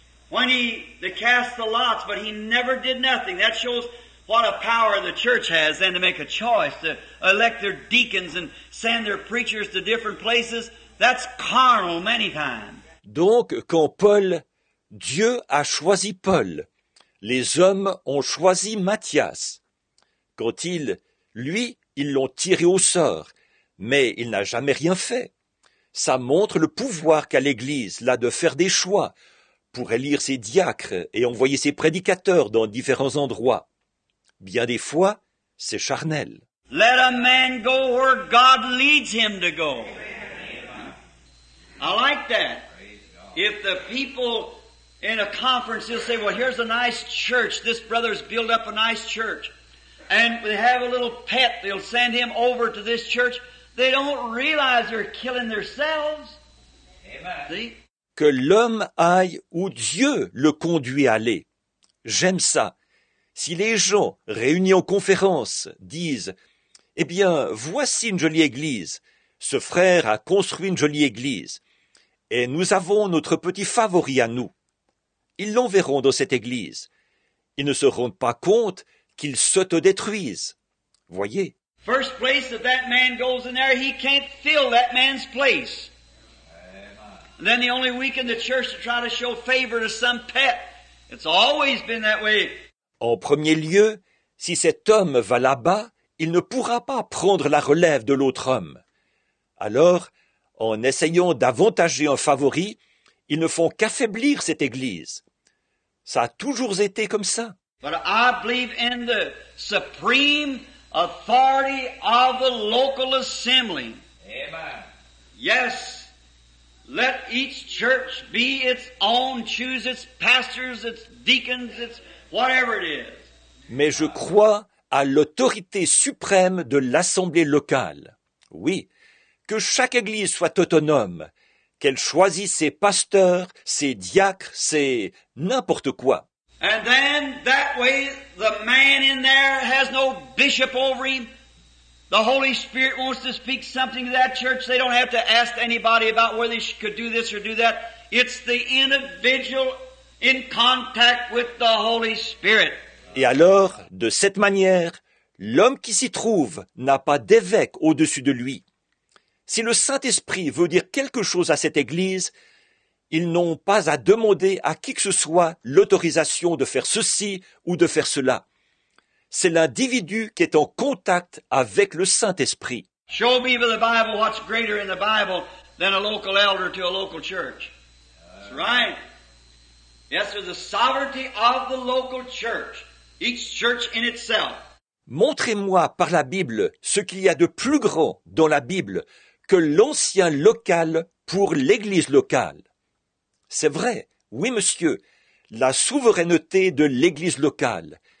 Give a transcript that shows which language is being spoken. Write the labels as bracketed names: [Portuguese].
[English] When they cast the lots, but he never did nothing. That shows what a power the church has then to make a choice, to elect their deacons and send their preachers to different places. That's carnal many times. [French] Donc, quand Paul, Dieu a choisi Paul, les hommes ont choisi Matthias. Quand ils l'ont tiré au sort, mais il n'a jamais rien fait. Ça montre le pouvoir qu'a l'Église, là, de faire des choix pour élire ses diacres et envoyer ses prédicateurs dans différents endroits. Bien des fois, c'est charnel. [English] Let a man go where God leads him to go. I like that. If the people in a conference, they'll say, well, here's a nice church. This brother's built up a nice church. And they have a little pet. They'll send him over to this church. They don't realize they're killing themselves. Amen. See? [French] Que l'homme aille où Dieu le conduit à aller. J'aime ça. Si les gens réunis en conférence disent, eh bien, voici une jolie église. Ce frère a construit une jolie église. Et nous avons notre petit favori à nous. Ils l'enverront dans cette église. Ils ne se rendent pas compte qu'ils s'autodétruisent. Voyez. [English] First place that that man goes in there, he can't fill that man's place. And then the only week in the church to try to show favor to some pet. It's always been that way. [French] En premier lieu, si cet homme va là-bas, il ne pourra pas prendre la relève de l'autre homme. Alors, en essayant d'avantager un favori, ils ne font qu'affaiblir cette église. Ça a toujours été comme ça. [English] But I believe in the supreme authority of the local assembly. Amen. Yes. Let each church be its own, choose its pastors, its deacons, its whatever it is. [French] Mais je crois à l'autorité suprême de l'assemblée locale. Oui, que chaque église soit autonome, qu'elle choisisse ses pasteurs, ses diacres, ses n'importe quoi. [English] And then that way the man in there has no bishop over him. The Holy Spirit wants to speak something to that church. They don't have to ask anybody about whether they could do this or do that. It's the individual in contact with the Holy Spirit. [French] Et alors, de cette manière, l'homme qui s'y trouve n'a pas d'évêque au-dessus de lui. Si le Saint-Esprit veut dire quelque chose à cette église, ils n'ont pas à demander à qui que ce soit l'autorisation de faire ceci ou de faire cela. C'est l'individu qui est en contact avec le Saint-Esprit. [English] Show me by the Bible what's greater in the Bible than a local elder to a local church. That's right. Yes, there's the sovereignty of the local church, each church in itself. [French] Montrez-moi par la Bible ce qu'il y a de plus grand dans la Bible que l'ancien local pour l'église locale. C'est vrai, oui monsieur, la souveraineté de l'église locale.